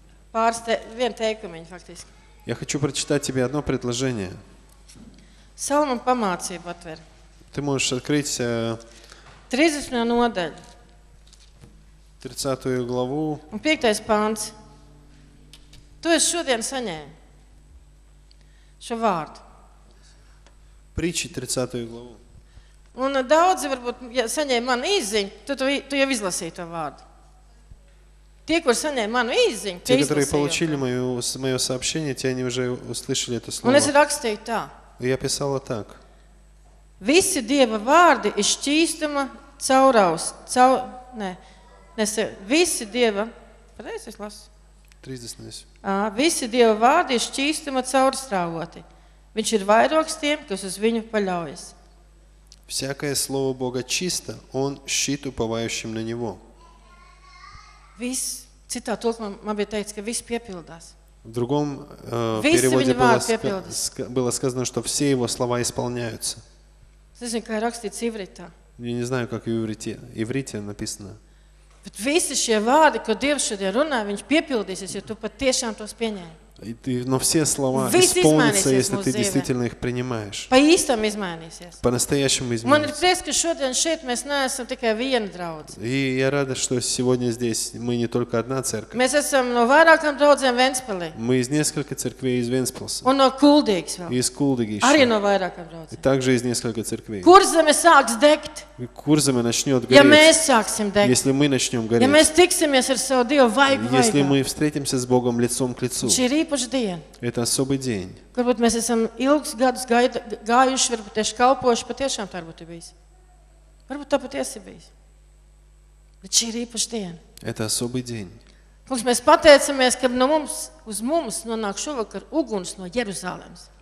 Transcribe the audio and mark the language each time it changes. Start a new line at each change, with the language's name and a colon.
Latvian: Pārste, vien teikumiņu, faktiski.
Russian: Я хочу прочитать тебе одно предложение.
Latvian: Salmu pamācību atver.
Russian: Ты можешь открыть
Latvian: 30. Nodaļu.
Russian: 30. Главу.
Latvian: Un 5. Pants. Tu esi šodien saņēmi šo vārdu.
Russian: Priči 30. Главу.
Latvian: Un daudzi, varbūt, ja saņēmi manu īziņu, tu jau izlasīji to vārdu. Те, кто саня, ману изинь,
Russian: те, которые получили моё сообщение, те они уже услышали это слово. Он это рассказал так. Я писала так.
Latvian: Visi Dieva vārdi ir šķīstuma caurās, caur, nē. Nes visi Dieva, pareizi es lasu. 30. Visi Dieva vārdi ir šķīstuma caurstrāvoti. Viņš ir vairoks tiem, kas uz viņu paļaujas.
Russian: Всякое слово Бога чисто, он щит уповающим на него.
Latvian: Viss, citā tulkumā man bija teicis, ka viss piepildās.
Russian: В другом переводе было сказано, что все его слова исполняются.
Latvian: Es nezinu, kā rakstīts ivritā.
Russian: Я не знаю, как в иврите написано.
Latvian: Bet visi šie vārdi, ko Dievs šodien runā, viņš piepildīsies, ja tu patiešām tos pieņēmi.
Russian: Но все слова исполнятся, если ты действительно их принимаешь. По-истам изменяйся. По-настоящему изменяйся.
Latvian: Man ir prieks, ka šodien šeit mēs neesam tikai viena draudze.
Russian: И я рада, что сегодня здесь мы не только одна церковь.
Latvian: Mēs esam no vairākām draudzēm Ventspilī.
Russian: Мы из нескольких церквей из Ventspilsas.
Latvian: Un no Kuldīgas vēl.
Russian: Из Kuldīgas.
Latvian: Arī no vairākām draudzēm.
Russian: Также из нескольких церквей.
Latvian: Kurzeme sāks degt.
Russian: Kurzeme начнёт гореть.
Latvian: Ja mēs sāksim degt.
Russian: Если мы начнём гореть.
Latvian: Ja mēs tiksimies ar savu Dievu vaigu vaigu.
Russian: Если мы встретимся с Богом лицом к лицу. Это особый день.
Latvian: Varbūt mēs esam ilgus gadus gājuši, varbūt tieši kalpojuši, patiešām tā varbūt ir bijis. Varbūt tā patiesi ir bijis. Bet šī ir īpaša diena.
Russian: Это особый день.
Latvian: Kungs, mēs pateicamies, ka no mums, uz mums nonāk šovakar uguns no Jeruzalemes.